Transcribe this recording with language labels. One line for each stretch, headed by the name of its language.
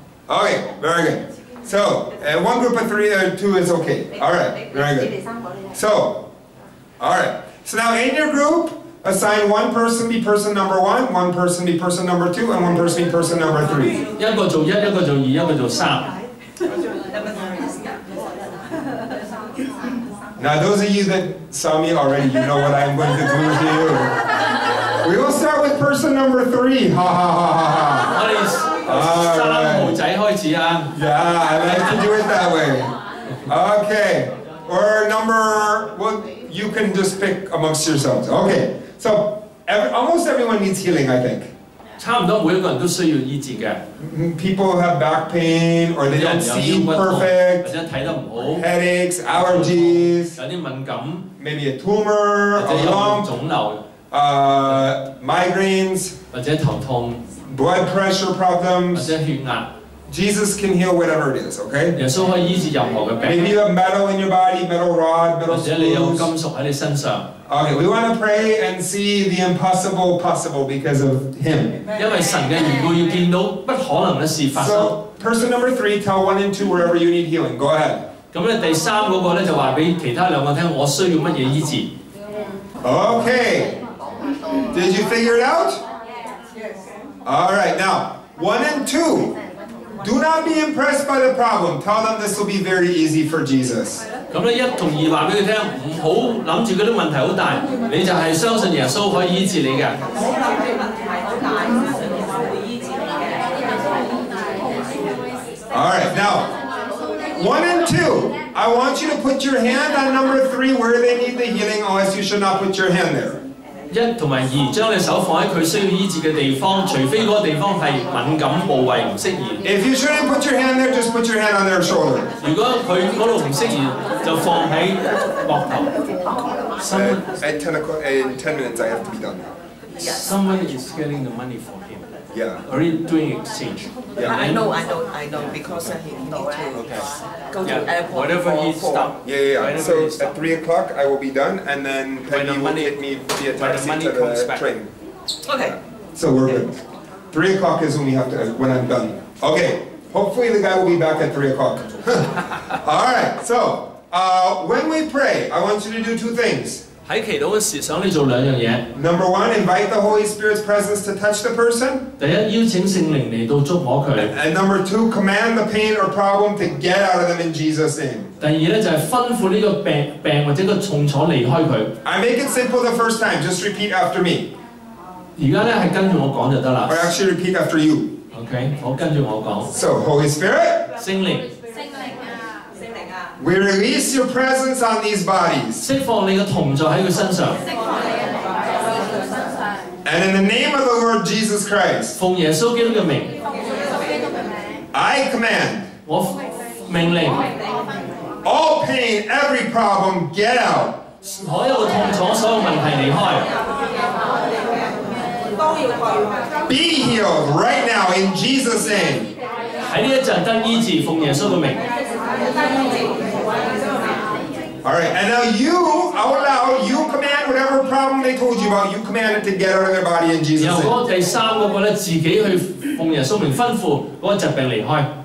English: Okay, very good. So, one group of three or two is okay. All right, very good. So, all right. So now in your group, assign one person be person number one, one person be person number two, and one person be person number three.
Cantonese: 一個做一，一個做二，一個做三。
English: Now those of you that saw me already, you know what I'm going to do to you. We will start with person number three. Ha ha ha ha ha. All right. Yeah, I like to do it that way. Okay. Or number, well, you can just pick amongst yourselves. Okay. So almost everyone needs healing, I think.
Cantonese: 差唔多每一個人都需要醫治嘅。
English: People have back pain or they don't see perfect.
Cantonese: 或者睇得唔好。
English: Headaches, allergies.
Cantonese: 有啲敏感。
English: Maybe a tumor, a lump.
Cantonese: 腫瘤。
English: Migraines.
Cantonese: 或者頭痛。
English: Blood pressure problems.
Cantonese: 或者血壓。
English: Jesus can heal whatever it is, okay?
Cantonese: 耶穌可以醫治任何嘅病。
English: Maybe you have metal in your body, metal rod, metal screws.
Cantonese: 或者你有金屬喺你身上。
English: Okay, we want to pray and see the impossible possible because of Him.
Cantonese: 因為神嘅緣故，要見到不可能嘅事發生。
English: So, person number three, tell one and two wherever you need healing. Go ahead.
Cantonese: 咁咧，第三嗰個咧就話俾其他兩個聽，我需要乜嘢醫治。
English: Okay. Did you figure it out? Yes. All right. Now, one and two. Do not be impressed by the problem. Tell them this will be very easy for Jesus.
Cantonese: 咁咧，一同二話俾佢聽，唔好諗住嗰啲問題好大，你就係相信耶穌可以醫治你嘅。
English: All right, now one and two. I want you to put your hand on number three where they need the healing, unless you should not put your hand there.
Cantonese: 一同埋二，將你手放喺佢需要醫治嘅地方，除非嗰個地方係敏感部位唔適宜。
English: If you shouldn't put your hand there, just put your hand on their shoulder.
Cantonese: 如果佢嗰度唔適宜，就放喺膊頭。
English: At ten minutes, I have to be done now. Someone is getting the money for him. Yeah. Are you doing exchange? Yeah. I know, because he needs to go to airport. Whatever he stop. Yeah. So at 3 o'clock, I will be done, and then Penny will get me via taxi to the train. Okay. So we're good. 3 o'clock is when we have to. When I'm done. Okay. Hopefully the guy will be back at 3 o'clock. All right. So when we pray, I want you to do two things.
Cantonese: 喺祈禱嘅時，想你做兩樣嘢。
English: Number one, invite the Holy Spirit's presence to touch the person.
Cantonese: 第一，邀請聖靈嚟到觸摸佢。
English: And number two, command the pain or problem to get out of them in Jesus' name.
Cantonese: 第二咧就係吩咐呢個病或者個重楚離開佢。
English: I make it simple the first time. Just repeat after me.
Cantonese: 而家咧係跟住我講就得啦。
English: Or actually repeat after you.
Cantonese: Okay, 我跟住我講。
English: So Holy Spirit,
Cantonese: 聖靈。
English: We release your presence on these bodies.
Cantonese: 释放你嘅同在喺佢身上。
English: And in the name of the Lord Jesus Christ.
Cantonese: 奉耶稣基督嘅名。
English: I command.
Cantonese: 我命令。
English: All pain, every problem, get out.
Cantonese: 所有嘅痛楚，所有问题，离开。
English: Be healed right now in Jesus' name.
Cantonese: 喺呢一阵得医治，奉耶稣嘅名。
English: All right, and now you, out loud, you command whatever problem they told you about. You command it to get out of their body in Jesus' name.
Cantonese: 然後嗰第三個咧，自己去奉耶穌名吩咐嗰個疾病離開。